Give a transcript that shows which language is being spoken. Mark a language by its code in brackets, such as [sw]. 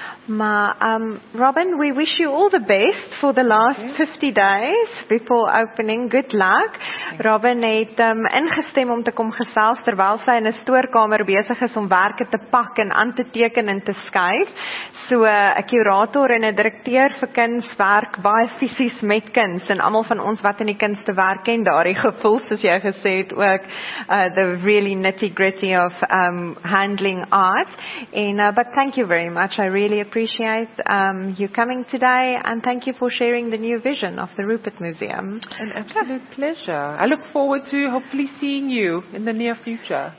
[en] Maar Robin, we wish you all the best for the last 50 days before opening. Good luck. [af] Robin het ingestem om te kom gesels terwyl sy in 'n stoorkamer besig is om werke te pak en aan te teken en te skuif. So 'n kurator en 'n direkteur vir kuns werk baie fisies met kuns en almal van ons wat in die kunste werk ken daardie gevoel soos jy gesê het ook [en] the really nitty gritty of handling art. And but thank you very much. I really appreciate you coming today and thank you for sharing the new vision of the Rupert Museum. An absolute pleasure. I look forward to hopefully seeing you in the near future.